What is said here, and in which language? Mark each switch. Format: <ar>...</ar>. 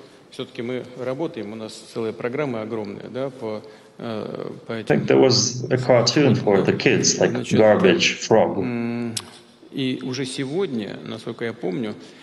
<ru>Все-таки мы работаем, у нас целая программа огромная, да, по этим.</ru> <en>I think there was a cartoon for the kids, like garbage frog.</en> <ru>И уже сегодня, насколько я помню,</ru>